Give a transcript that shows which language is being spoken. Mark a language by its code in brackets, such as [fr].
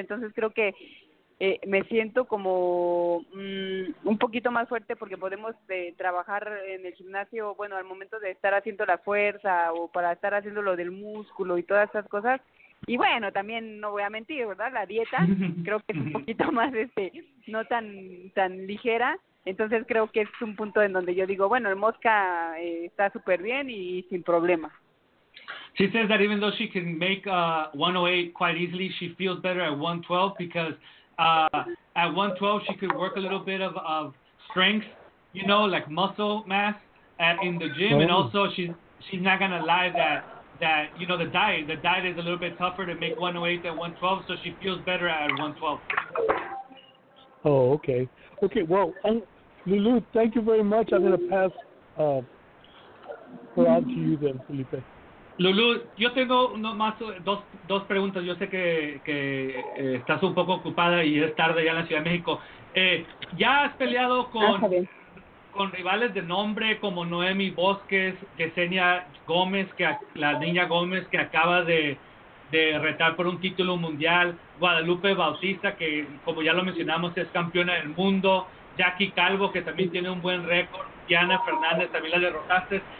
[es] Entonces creo que me siento como un poquito más fuerte porque podemos trabajar en el gimnasio, bueno, al momento de estar haciendo la fuerza o para estar haciendo lo del músculo y todas esas cosas. Y bueno, también no voy a mentir, ¿verdad? La dieta creo que es un poquito más, no tan ligera. Entonces creo que es un punto en donde yo digo, bueno, el mosca está súper bien y sin problema. [en] She says that even though she can make 108 quite easily, she feels better at 112 because at 112 she could work a little bit of strength, you know, like muscle mass in the gym. And also she's not going to lie that you know, the diet is a little bit tougher to make 108 than 112, so she feels better at 112. Oh, okay. Okay, well, Lulu, thank you very much. I'm going to pass her on to you then, Felipe. [es] Lulu, yo tengo dos preguntas. Yo sé que estás un poco ocupada y es tarde ya en la Ciudad de México. ¿Ya has peleado con rivales de nombre como Noemi Bosques, Yesenia Gómez, la niña Gómez que acaba de retar por un título mundial, Guadalupe Bautista, que como ya lo mencionamos es campeona del mundo, Jackie Calvo, que también tiene un buen récord, Diana Fernández, también la derrotaste?